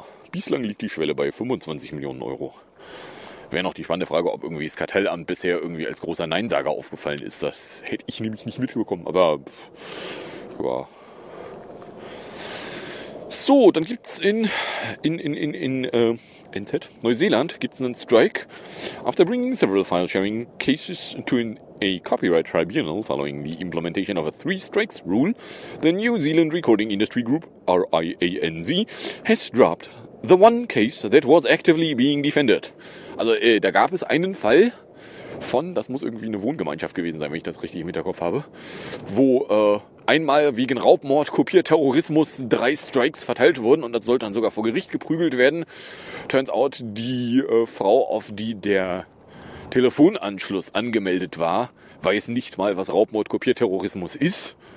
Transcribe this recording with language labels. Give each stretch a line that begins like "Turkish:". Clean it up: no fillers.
German: Bislang liegt die Schwelle bei 25 Millionen Euro. Wäre noch die spannende Frage, ob irgendwie das Kartellamt bisher irgendwie als großer Neinsager aufgefallen ist. Das hätte ich nämlich nicht mitbekommen, aber ja. So, dann gibt's in NZ, Neuseeland, gibt's einen Strike.
English: After bringing several file-sharing cases to a copyright tribunal following the implementation of a three-strikes rule, the New Zealand Recording Industry Group, RIANZ, has dropped the one case that was actively being defended.
German: Also da gab es einen Fall von, das muss irgendwie eine Wohngemeinschaft gewesen sein, wenn ich das richtig im Hinterkopf habe, wo einmal wegen Raubmord, Kopierterrorismus drei Strikes verteilt wurden und das sollte dann sogar vor Gericht geprügelt werden.
English: Turns out,
German: die Frau, auf die der Telefonanschluss angemeldet war, weiß nicht mal, was Raubmord, Kopierterrorismus ist.